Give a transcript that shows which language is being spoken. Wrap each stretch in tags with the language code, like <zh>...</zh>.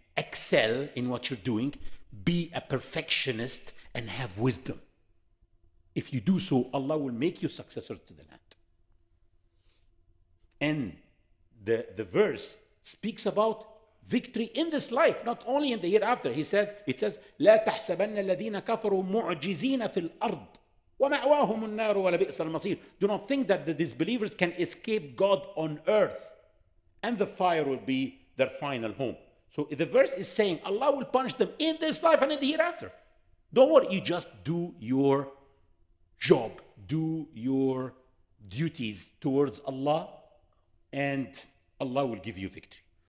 <en>excel in what you're doing, be a perfectionist, and have wisdom. If you do so, Allah will make you successors to the land. And the verse speaks about victory in this life, not only in the hereafter. It says,</en> <ar>لا تحسبن الذين كفروا معجزين في الأرض ومأواهم النار ولبئس المصير.</ar> <en>Do not think that the disbelievers can escape God on earth, and the fire will be their final home. So the verse is saying Allah will punish them in this life and in the hereafter. Don't worry, you just do your job, do your duties towards Allah, and Allah will give you victory.</en>